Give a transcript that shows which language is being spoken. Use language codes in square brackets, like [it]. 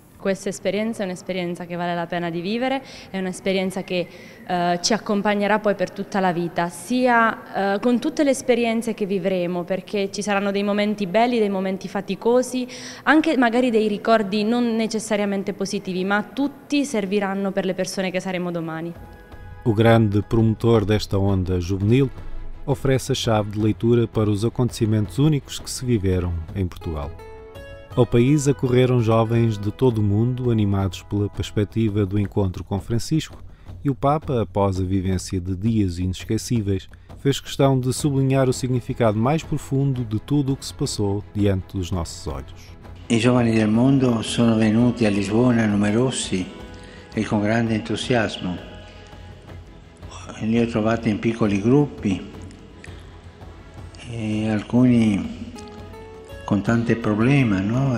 [it] Questa esperienza è un'esperienza che vale la pena di vivere, è un'esperienza che ci accompagnerà poi per tutta la vita, sia con tutte le esperienze che vivremo, perché ci saranno dei momenti belli, dei momenti faticosi, anche magari dei ricordi non necessariamente positivi, ma tutti serviranno per le persone che saremo domani. [pt] O grande promotor desta onda juvenil oferece a chave de leitura para os acontecimentos únicos que se viveram em Portugal. Ao país acorreram jovens de todo o mundo, animados pela perspectiva do encontro com Francisco, e o Papa, após a vivência de dias inesquecíveis, fez questão de sublinhar o significado mais profundo de tudo o que se passou diante dos nossos olhos. [it] I giovani del mondo sono venuti a Lisbona numerosi e con grande entusiasmo. Li ho trovati in piccoli gruppi e alcuni con tanti problemi, no?